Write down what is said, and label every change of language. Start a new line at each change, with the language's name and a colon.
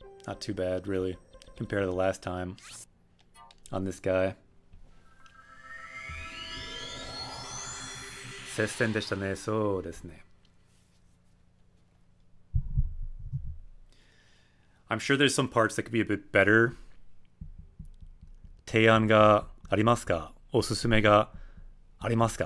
English: Not too bad, really, compared to the last time on this guy.
Japanese: 接戦でしたね、そうですね。
English: I'm sure there's some parts that could be a bit better.
Japanese: 提案がありますか? おすすめがありますか?